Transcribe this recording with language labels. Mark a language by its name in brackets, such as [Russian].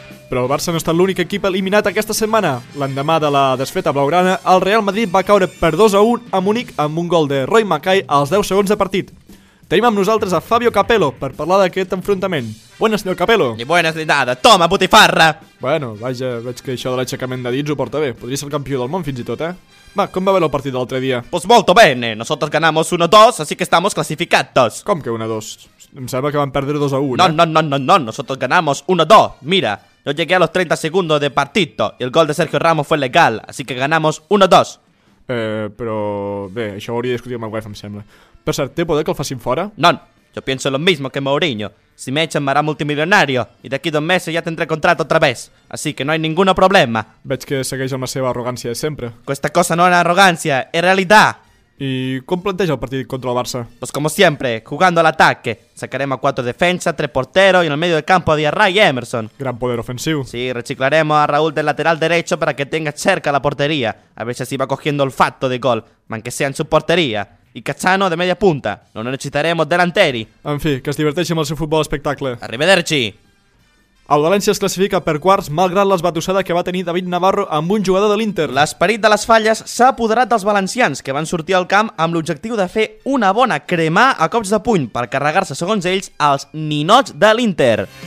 [Catalan] Però el Barça no ha estat l'únic equip eliminat aquesta setmana. L'endemà de la desfeta blaugrana, el Real Madrid va caure per 2-1 a Múnich amb un gol de Roy Mackay als 10 segons de partit. Tenim amb nosaltres a Fabio Capello per parlar d'aquest enfrontament. [Spanish] Buenas, [Catalan] senyor Capello. [Spanish] Ni buenas ni nada. Toma, botifarra. [Catalan] Bueno, vaja, veig que això de l'aixecament de dits ho porta bé. Podria ser el campió del món fins i tot, eh? Va, com va veure el partit l'altre dia? [Spanish] Pues [Italian] molto bene. [Spanish] Nosotros ganamos 1-2, así que estamos clasificados. [Catalan] Com que 1-2? Em sembla que van perdre 2-1. [Spanish] No. Nosotros ganamos 1-2. Mira. Yo llegué a los 30 segundos de partido y el gol de Sergio Ramos fue legal, así que ganamos 1-2. [Catalan] Però bé, això ho hauria de discutir amb el UEFA, em sembla. Per cert, té poder que el facin fora? [Spanish] No, yo pienso lo mismo que Mourinho. Si me echan me hará multimillonario y de aquí 2 meses ya tendré contrato otra vez. Así que no hay ningún problema. [Catalan] Veig que segueix amb la seva arrogància de sempre. [Italian] Questa cosa [Spanish] no es arrogancia, es realidad. [Catalan] I com planteja el partit contra el Barça? [Spanish] Pues como siempre, jugando al ataque. Sacaremos 4 defensas, 3 porteros y en el medio del campo a Diarra y Emerson. Gran poder ofensivo. Sí, reciclaremos a Raúl del lateral derecho para que tenga cerca la portería. A ver si así va cogiendo el facto de gol, manque sea en su portería. Y Cassano de media punta. No necesitaremos delanteri. [Catalan] En fi, que es diverteixi amb el seu futbol espectacle. [Italian] Arrivederci! [Catalan] El València es classifica per quarts malgrat l'esbatussada que va tenir David Navarro amb un jugador de l'Inter. L'esperit de les falles s'ha apoderat dels valencians, que van sortir al camp amb l'objectiu de fer una bona crema a cops de puny per carregar-se, segons ells, els ninots de l'Inter.